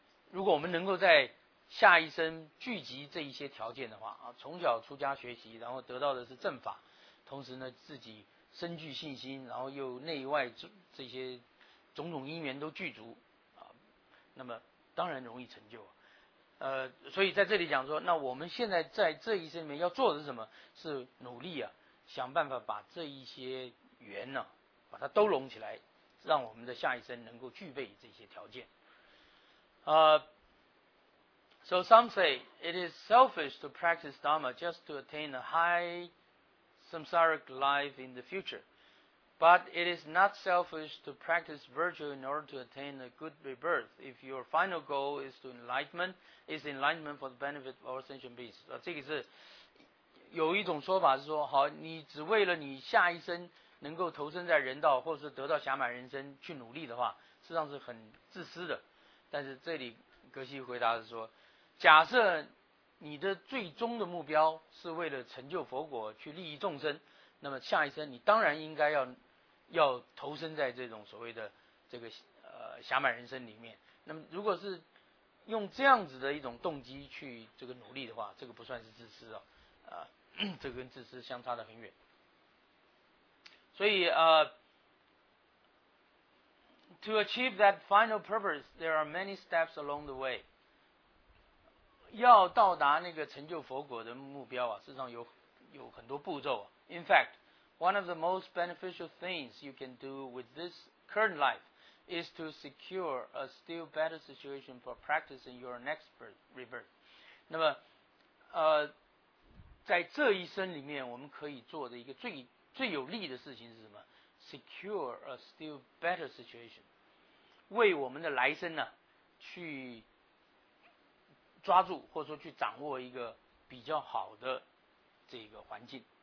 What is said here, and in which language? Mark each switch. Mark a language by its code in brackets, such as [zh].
[zh] 如果我们能够在下一生聚集这一些条件的话啊，从小出家学习，然后得到的是正法，同时呢自己深具信心，然后又内外这些种种因缘都具足啊，那么当然容易成就，所以在这里讲说，那我们现在在这一生里面要做的是什么？是努力啊，想办法把这一些缘呢、啊，把它都拢起来，让我们的下一生能够具备这些条件。 [en] So some say it is selfish to practice Dharma just to attain a high samsaric life in the future, but it is not selfish to practice virtue in order to attain a good rebirth if your final goal is to enlightenment, is enlightenment for the benefit of all sentient beings. [zh] 这个是有一种说法是说，好，你只为了你下一生能够投身在人道或是得到侠满人生去努力的话，实际上是很自私的。但是这里格西回答是说，假设你的最终的目标是为了成就佛果去利益众生，那么下一生你当然应该要投身在这种所谓的这个侠满人生里面。那么如果是用这样子的一种动机去这个努力的话，这个不算是自私哦，这个跟自私相差得很远。 [en] 所以to achieve that final purpose, there are many steps along the way. [zh] 要到达那个成就佛果的目标啊，事实上有很多步骤啊。 [en] In fact, one of the most beneficial things you can do with this current life is to secure a still better situation for practicing your next rebirth. [zh] 那么在这一生里面我们可以做的一个最有利的事情是什么？ [en] Secure a still better situation. [zh] 为我们的来生呢、啊、去抓住或者说去掌握一个比较好的这个环境。